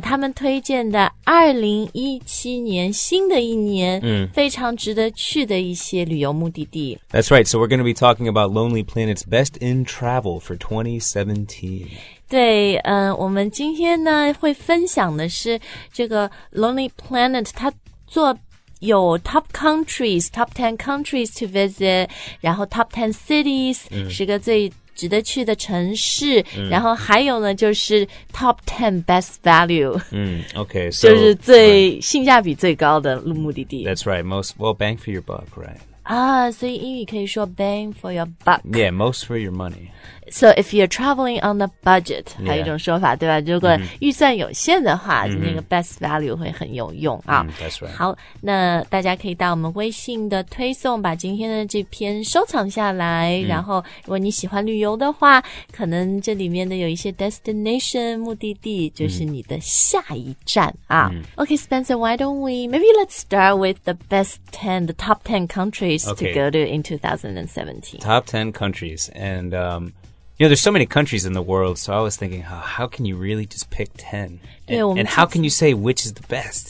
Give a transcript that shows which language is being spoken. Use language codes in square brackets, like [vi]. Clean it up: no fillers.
[zh] 他们推荐的2017年新的一年非常值得去的一些旅游目的地。 [en] That's right. So we're going to be talking about Lonely Planet's best in travel for 2017. [zh] 对，我们今天呢会分享的是这个 Lonely Planet, 它做有 top countries, [en] top 10 countries to visit, [zh] 然后 top 10 cities, 十个最值得去的城市，然后还有呢就是 top 10 best value. [en] Okay, so [zh] 就是最性价比最高的目的地。 [en] That's right, most, well, bang for your buck, right? [zh] 所以英语可以说 bang for your buck. [en] Yeah, most for your money. So if you're traveling on a budget, [zh] 还有一种说法，对吧？如果预算有限的话，那个 best value 会很有用啊。 [en] That's right. [zh] 好，那大家可以到我们微信的推送把今天的这篇收藏下来，然后如果你喜欢旅游的话，可能这里面的有一些 destination 目的地就是你的下一站啊。 [en] Okay, Spencer, why don't we, maybe let's start with the best 10, the top 10 countries to go to in 2017. Top 10 countries, and you know, there's so many countries in the world, so I was thinking, how can you really just pick 10? And how can you say which is the best?